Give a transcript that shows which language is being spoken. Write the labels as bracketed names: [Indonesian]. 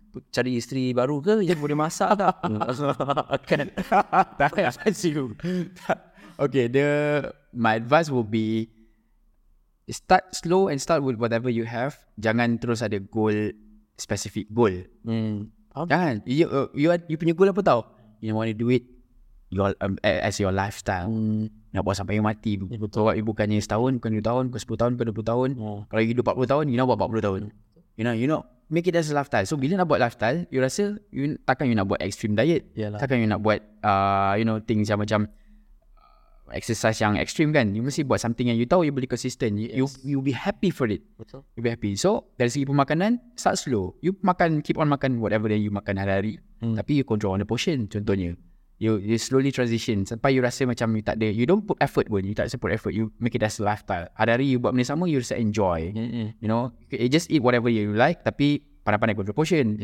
[Malay] Cari isteri baru ke yang boleh masak tak? Tak, advise you. [English] Okay, my advice will be start slow and start with whatever you have. [Malay] Jangan terus ada goal, specific goal. Jangan. You punya goal apa tau? [English] You want to do it as your lifestyle. [Malay] Nak buat sampai mati. Ya, betul. Kalau bukannya setahun, bukan 2 tahun, bukan 10 tahun, bukan 20 tahun. Kalau you hidup 40 tahun, you nak buat 40 tahun. [English] You know, make it as a lifestyle. [Malay] So bila nak buat lifestyle, you rasa takkan you nak buat extreme diet. Yalah. Takkan you nak buat things yang macam exercise yang extreme kan. You mesti buat something yang you tahu you boleh consistent. Yes. [English] You'll be happy for it. [Malay] Betul. [English] You'll be happy. [Malay] So dari segi pemakanan, start slow. You makan, keep on makan whatever that you makan hari-hari. Tapi you control on the portion, contohnya. You slowly transition sampai you rasa macam you tak ada, [English] you don't put effort pun, [Malay] you tak support effort, you make it as a lifestyle. Hari-hari you buat benda sama, you rasa enjoy. [English] You know, you just eat whatever you like, [Malay] tapi pandai-pandai control portion.